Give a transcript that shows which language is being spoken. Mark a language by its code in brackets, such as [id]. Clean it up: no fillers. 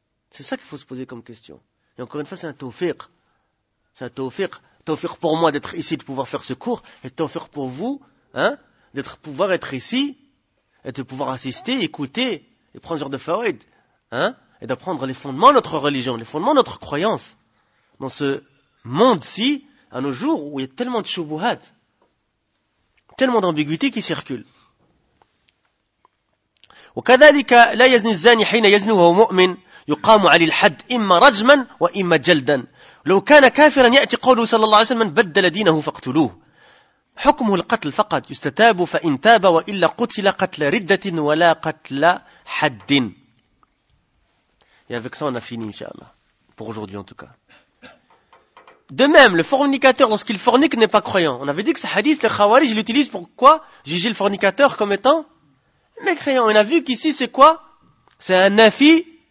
[fr] C'est ça qu'il faut se poser comme question. Et encore une fois, c'est un tawfiq. Tawfiq pour moi d'être ici, de pouvoir faire ce cours, et tawfiq pour vous, hein, d'être pouvoir être ici, et de pouvoir assister, écouter, et prendre ce genre de faoïd, hein, et d'apprendre les fondements de notre religion, les fondements de notre croyance. Dans ce monde-ci, à nos jours, où il y a tellement de choubouhat, tellement d'ambiguïté qui circule. [ar] وكذلك لا يزني الزاني حين يزني وهو مؤمن يقام عليه الحد إما رجما وإما جلدا لو كان كافرا يأتي قوله صلى الله عليه وسلم بدل دينه فاقتلوه حكمه القتل فقط يستتاب فإن تاب وإلا قتل قتل ردة ولا قتل حد. [fr] Et avec ça on a fini, inshallah, pour aujourd'hui en tout cas. De même, le fornicateur, lorsqu'il fornique, n'est pas croyant. On avait dit que ce hadith, le khawarij, il l'utilise pour quoi? Juger le fornicateur comme étant mécréant. On a vu qu'ici, c'est quoi? C'est un nafi.